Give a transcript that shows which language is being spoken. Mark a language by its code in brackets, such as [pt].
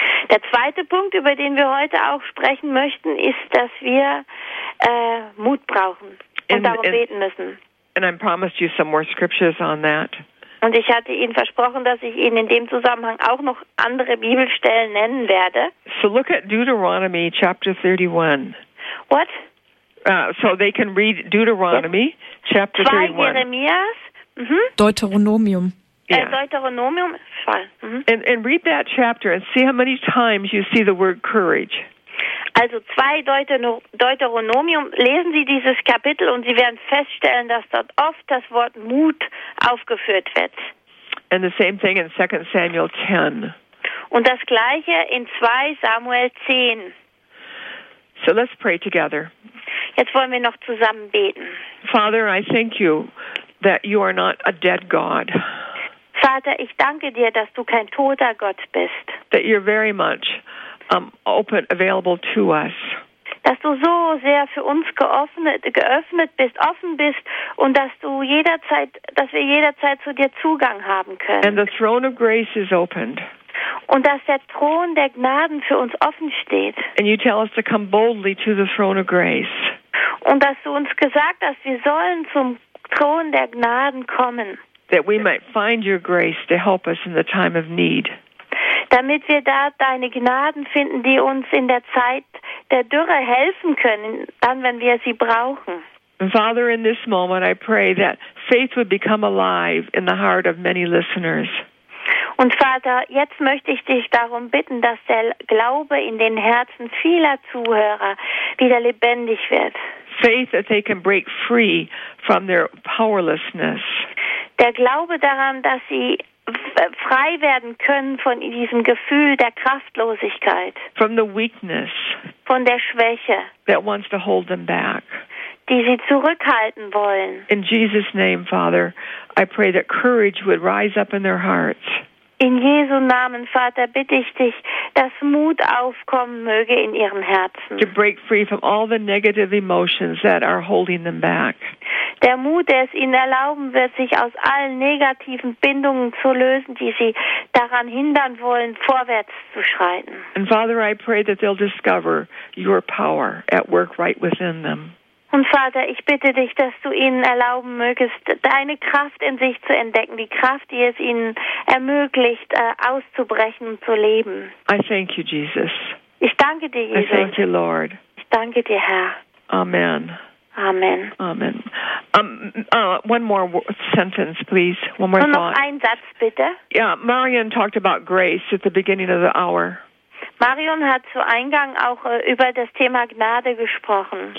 [de] Der zweite Punkt, über den wir heute auch sprechen möchten, ist, dass wir Mut brauchen. und darum beten müssen. [en] And I promised you some more scriptures on that. [de] Und ich hatte Ihnen versprochen, dass ich Ihnen in dem Zusammenhang auch noch andere Bibelstellen nennen werde. [en] So look at Deuteronomy chapter 31. What? So they can read Deuteronomy chapter 31. [de] Zwei Jeremias. Deuteronomium. [en] Yeah. Deuteronomium. And read that chapter and see how many times you see the word courage. [de] Also zwei Deuteronomium, lesen Sie dieses Kapitel und Sie werden feststellen, dass dort oft das Wort Mut aufgeführt wird. [en] And the same thing in 2 Samuel 10. [de] Und das gleiche in 2 Samuel 10. [en] So let's pray together. [de] Jetzt wollen wir noch zusammen beten. [en] Father, I thank you that you are not a dead God. [de] Vater, ich danke dir, dass du kein toter Gott bist. [en] That you're very much open, available to us. [de] Dass du so sehr für uns geöffnet bist, offen bist und dass wir jederzeit zu dir Zugang haben können. [en] And the throne of grace is opened. [de] Und dass der Thron der Gnaden für uns offen steht. [en] And you tell us to come boldly to the throne of grace. [de] Und dass du uns gesagt hast, wir sollen zum Thron der Gnaden kommen. [en] That we might find your grace to help us in the time of need. [de] Damit wir da deine Gnaden finden, die uns in der Zeit der Dürre helfen können, dann wenn wir sie brauchen. [en] Father, in this moment I pray that faith would become alive in the heart of many listeners. [de] Und Vater, jetzt möchte ich dich darum bitten, dass der Glaube in den Herzen vieler Zuhörer wieder lebendig wird. [en] Faith that they can break free from their powerlessness. [de] Der Glaube daran, dass sie frei werden können von diesem Gefühl der Kraftlosigkeit. [en] From the weakness. [de] Von der Schwäche. [en] That wants to hold them back. [de] Die sie zurückhalten wollen. [en] In Jesus' name, Father, I pray that courage would rise up in their hearts. [de] In Jesu Namen, Vater, bitte ich dich, dass Mut aufkommen möge in ihren Herzen. [en] To break free from all the negative emotions that are holding them back. [de] Der Mut, der es ihnen erlauben wird, sich aus allen negativen Bindungen zu lösen, die sie daran hindern wollen, vorwärts zu schreiten. [en] And Father, I pray that they'll discover your power at work right within them. [de] Und Vater, ich bitte dich, dass du ihnen erlauben mögest, deine Kraft in sich zu entdecken, die Kraft, die es ihnen ermöglicht, auszubrechen und zu leben. [en] I thank you, Jesus. [de] Ich danke dir, Jesus. [en] I thank you, Lord. [de] Ich danke dir, Herr. [en] Amen. [de] Amen. [en] Amen. One more sentence, please. One more [de] Und [en] thought. [de] Noch einen Satz, bitte. [en] Yeah, Marion talked about grace at the beginning of the hour. [de] Marion hat zu Eingang auch über das Thema Gnade gesprochen.